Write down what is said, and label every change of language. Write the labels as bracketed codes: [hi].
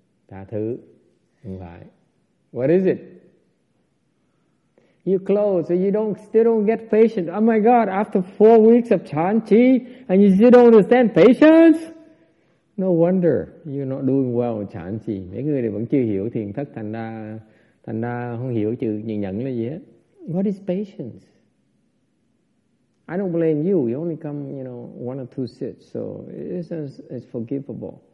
[en] Right. What is it? You close, and you still don't get patient. Oh my God, after 4 weeks of Chan Chi, and you still don't understand patience? No wonder you're not doing well with Chan Chi. [vi] Mấy người vẫn chưa hiểu thiền thất, thành ra không hiểu chữ nhìn nhận là gì hết. [en] What is patience? I don't blame you. You only come, you know, one or two sits, so it's forgivable.